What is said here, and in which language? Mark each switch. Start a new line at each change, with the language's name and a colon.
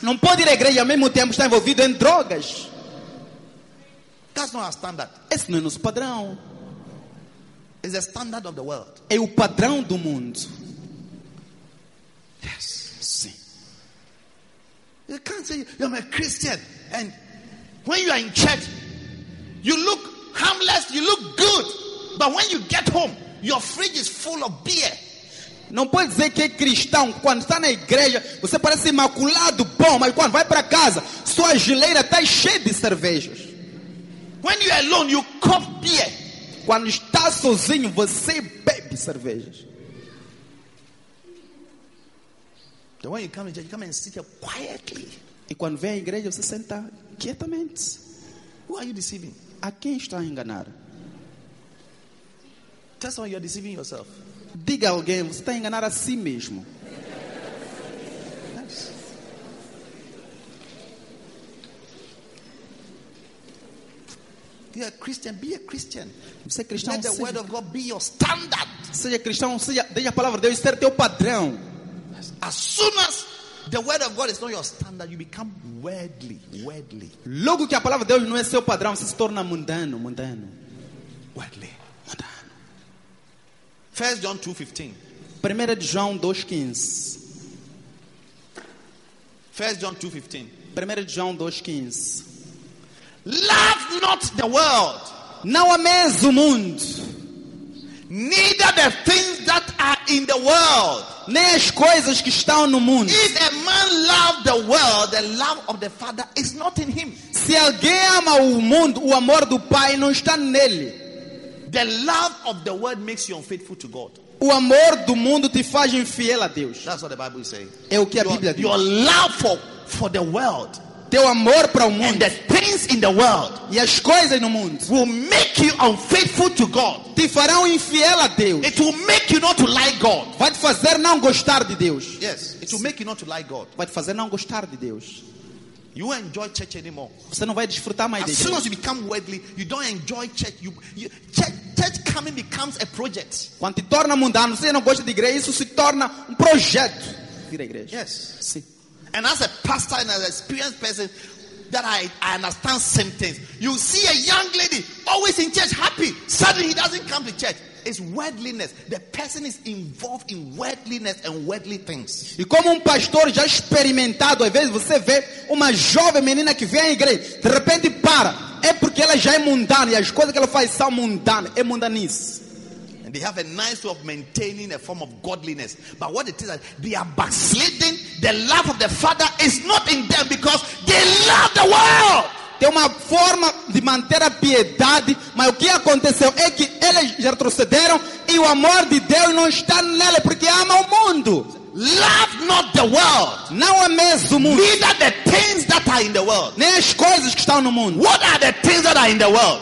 Portuguese: Não pode ir à igreja ao mesmo tempo estar envolvido em drogas.
English: That's not our standard.
Portuguese: Esse não é nosso padrão.
English: It's the standard of the world.
Portuguese: É o padrão do mundo.
English: You can't say you're a Christian and when you are in church you look harmless, you look good, but when you get home your fridge is full of beer.
Portuguese: Não pode dizer que é cristão quando está na igreja, você parece imaculado, bom, mas quando vai para casa sua geleira está cheia de cervejas.
English: When you are alone you cup beer.
Portuguese: Quando está sozinho você bebe cervejas.
English: The way you come to church, you come and sit here quietly.
Portuguese: E quando vem à igreja, você senta quietamente.
English: Who are you deceiving?
Portuguese: A quem está a enganar?
English: Tell someone you're deceiving yourself.
Portuguese: Diga a alguém, você está a enganar a si mesmo.
English: Yes. You're a Christian, be a Christian.
Portuguese: Você é cristão,
English: let the word of God be your standard.
Portuguese: Seja cristão, seja, deixe a palavra de Deus ser teu padrão.
English: As soon as the word of God is not your standard, you become worldly, worldly.
Portuguese: Logo que a palavra de Deus não é seu padrão, você se torna mundano, mundano.
English: Worldly,
Portuguese: mundano.
English: 1 John 2:15.
Portuguese: Primeira de João 2:15.
English: 1 John 2:15.
Portuguese: Primeira de João 2:15.
English: Love not the world.
Portuguese: Não ameis o mundo.
English: Neither the things that are in the world.
Portuguese: Nem as coisas que estão no mundo.
English: If a man love the world, the love of the Father is not in him.
Portuguese: Se alguém ama o mundo, o amor do Pai não está nele.
English: The love of the world makes you unfaithful to God.
Portuguese: O amor do mundo te faz infiel a Deus.
English: That's what the Bible says.
Portuguese: É o que a Bíblia diz.
English: Your love for the world.
Portuguese: Teu amor para o mundo.
English: And the things in the world.
Portuguese: E as coisas no mundo.
English: Will make you unfaithful to God.
Portuguese: Te farão infiel a Deus.
English: It will make you not to like God.
Portuguese: Vai te fazer não gostar de Deus.
English: Yes. It will make you not to like God.
Portuguese: Vai te fazer não gostar de Deus.
English: You won't enjoy church anymore.
Portuguese: Você não vai desfrutar mais de Deus.
English: As soon as you become worldly, you don't enjoy church. Church coming becomes a project.
Portuguese: Quando te torna mundano, você não gosta de igreja, isso se torna projeto. Vira igreja.
English: Yes.
Portuguese: Sim.
English: And as a pastor and as an experienced person, that I understand same things. You see a young lady always in church, happy. Suddenly he doesn't come to church. It's worldliness. The person is involved in worldliness and worldly things.
Portuguese: E como pastor já experimentado, às vezes você vê uma jovem menina que vem à igreja, de repente para. É porque ela já é mundana e as coisas que ela faz são mundanas, é mundanice.
English: They have a nice way of maintaining a form of godliness. But what it is, they are backsliding. The love of the Father is not in them because they love the world.
Portuguese: Tem uma forma de manter a piedade, mas o que aconteceu é que eles já retrocederam e o amor de Deus não está nele porque ama o mundo.
English: Love not the world.
Portuguese: Não ames o mundo.
English: Neither the things that are in the world.
Portuguese: Nem as coisas que estão no mundo.
English: What are the things that are in the world?